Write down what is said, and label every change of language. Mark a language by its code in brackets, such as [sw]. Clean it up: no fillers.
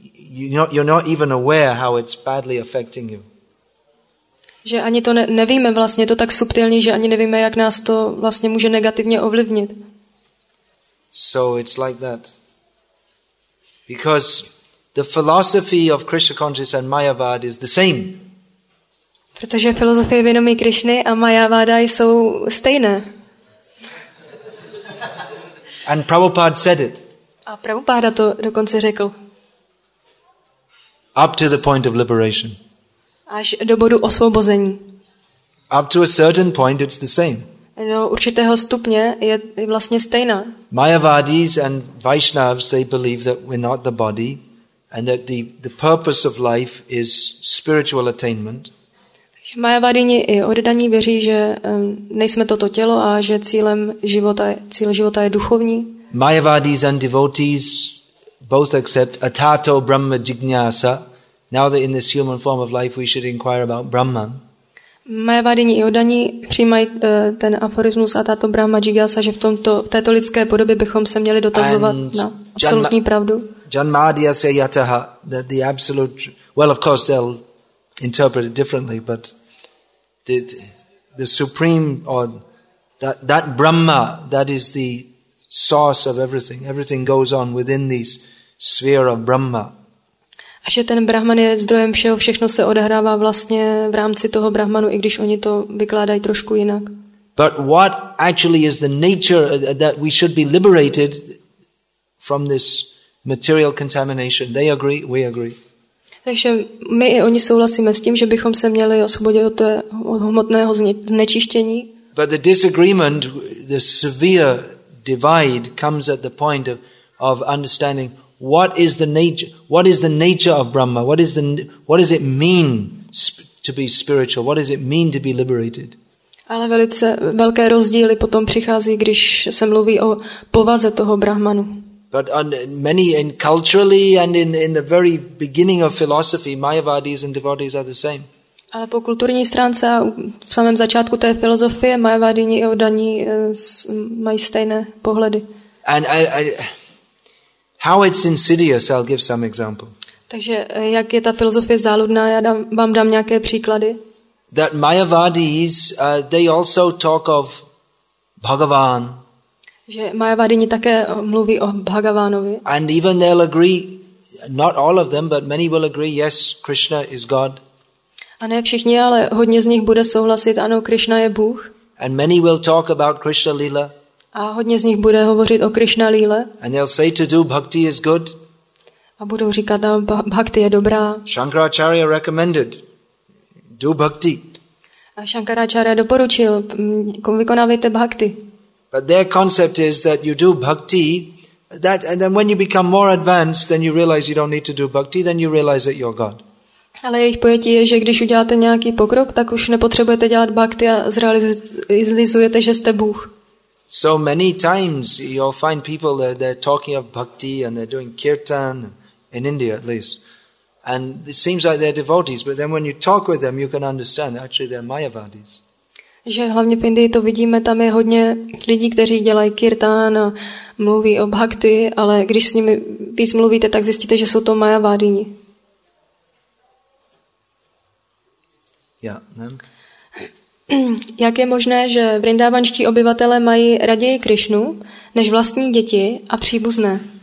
[en] You're not even aware how it's badly affecting you. [cs] Že ani to nevíme, vlastně je to tak subtilní, že ani nevíme, jak nás to vlastně může negativně ovlivnit. [en] So it's like that. Because the philosophy of Krishna consciousness and Mayavad is the same. [cs] Protože filozofie vědomí Krishny a Mayavada jsou stejné. [en] And Prabhupada said it. [cs] A Prabhupada to dokonce řekl. [en] Up to the point of liberation. [cs] Až do bodu osvobození. [en] Up to a certain point it's the same. [cs] Do určitého stupně je vlastně stejná. [en] Mayavadis and Vaishnavs, they believe that we're not the body and that the purpose of life is spiritual attainment. [cs] Takže Mayavadini i oddaní věří, že nejsme toto tělo a že cíl života je duchovní. [en] Mayavadis and devotees both accept [sa] atato brahma jignyasa. [en] Now that in this human form of life we should inquire about Brahman. [cs] Mayavadini i oddaní přijímají ten aforismus [sa] atato brahma jignyasa, [cs] že v této lidské podobě bychom se měli dotazovat na absolutní pravdu. [sa] Janmadya se yataha, [en] that the absolute, well of course they'll interpret it differently, but the supreme or that Brahma, that is the source of everything. Everything goes on within this sphere of Brahma. [cs] A že ten Brahman je zdrojem všeho, všechno se odehrává vlastně v rámci toho Brahmanu, i když oni to vykládají trošku jinak. [en] But what actually is the nature that we should be liberated from this material contamination? They agree, we agree. [cs] Takže my i oni souhlasíme s tím, že bychom se měli osvobodit od hmotného znečištění. [en] But the disagreement, the severe divide comes at the point of understanding what is the nature of Brahma, what does it mean to be spiritual, what does it mean to be liberated. [cs] Ale velice velké rozdíly potom přichází, když se mluví o povaze toho Brahmanu. [en] But many in culturally and in the very beginning of philosophy, Mayavadis and devotees are the same. [cs] Ale po kulturní stránce a v samém začátku té filozofie Mayavadini i oddaní mají stejné pohledy. [en] And how it's insidious, I'll give some example. [cs] Takže jak je ta filozofie záludná, já vám dám nějaké příklady. [en] That Mayavadis, they also talk of Bhagavan. [cs] Že Mayavadini také mluví o Bhagavánovi. [en] And even they'll agree, not all of them, but many will agree, yes, Krishna is God. [cs] A ne všichni, ale hodně z nich bude souhlasit, ano, Krishna je Bůh. [en] And many will talk about Krishna Lila. [cs] A hodně z nich bude hovořit o Krishna Lile. [en] And they'll say to do bhakti is good. [cs] A budou říkat, ano, bhakti je dobrá. [en] Shankaracharya recommended, do bhakti. [cs] A Shankaracharya doporučil, vykonávejte bhakti. [en] But their concept is that you do bhakti, that and then when you become more advanced, then you realize you don't need to do bhakti, then you realize that you're God. [cs] Ale jejich pojetí je, že když uděláte nějaký pokrok, tak už nepotřebujete dělat bhakti a zrealizujete, že jste Bůh. [en] So many times you'll find people that they're talking of bhakti and they're doing kirtan, in India at least. And it seems like they're devotees, but then when you talk with them, you can understand that actually they're Mayavadis. [cs] Že hlavně v Indii to vidíme, tam je hodně lidí, kteří dělají kirtán a mluví o bhakti, ale když s nimi víc mluvíte, tak zjistíte, že jsou to Mayavadini. Yeah, Jak je možné, že vrindávanští obyvatelé mají raději Krišnu než vlastní děti a příbuzné?